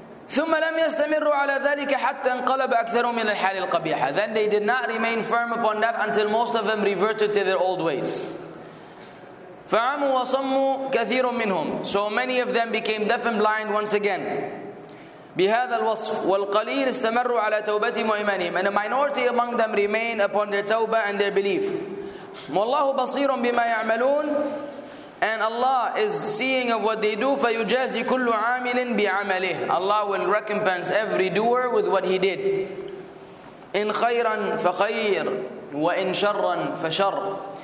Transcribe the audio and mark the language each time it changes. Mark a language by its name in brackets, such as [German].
[Arabic] ثُمَّ لَمْ يَسْتَمِرُوا عَلَىٰ ذَلِكَ حَتَّى انْقَلَبَ أَكْثَرُوا مِنَ الْحَالِ الْقَبِيحَةِ. [English] Then they did not remain firm upon that until most of them reverted to their old ways. [Arabic] فَعَمُوا وَصَمُوا كَثِيرٌ مِّنْهُمْ. [English] So many of them became deaf and blind once again. [Arabic] بهذا الوصف والقليل استمروا على توبتهم وإيمانهم. [English] And a minority among them remain upon their tawbah and their belief. [Arabic] والله بصير بما يعملون. [English] And Allah is seeing of what they do. [Arabic] فيجازي كل عامل بعمله. [English] Allah will recompense every doer with what he did. [Arabic] إن خيرا فخير وإن شرا فشر.